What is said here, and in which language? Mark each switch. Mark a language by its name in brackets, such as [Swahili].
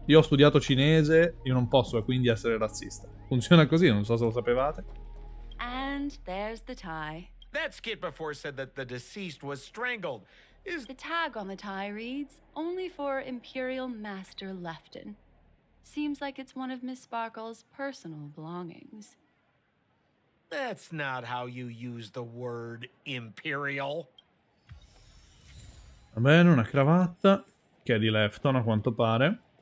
[Italian] Io ho studiato cinese, io non posso quindi essere razzista. Funziona così, non so se lo sapevate. [English] And there's the tie. That skit before said that the deceased was strangled. is... The tag on the tie reads, only for Imperial Master Lefton. Seems like it's one of Miss Sparkle's personal belongings. That's not how you use the word Imperial. [Italian] Va bene, una cravatta, che è di Lefton a quanto pare.